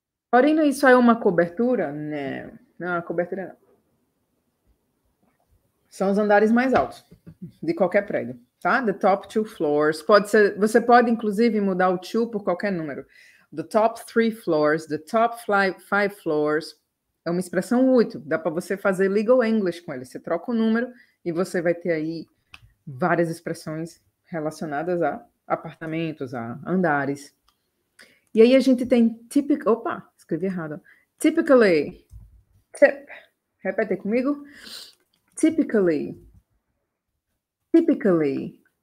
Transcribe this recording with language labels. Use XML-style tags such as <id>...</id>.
<pt>Porém, isso aí é uma cobertura? Não, não é uma cobertura, não. São os andares mais altos de qualquer prédio, tá?</pt> <en>The top two floors.</en> <pt>Pode ser, você pode, inclusive, mudar o two por qualquer número.</pt> <en>The top three floors, the top five floors.</en> <pt>É uma expressão útil, dá para você fazer legal English com ele. Você troca o número e você vai ter aí várias expressões relacionadas a apartamentos, a andares. E aí a gente tem typical. Opa, escrevi errado. Typically. Tip. Repete comigo. Typically. Typically.</pt>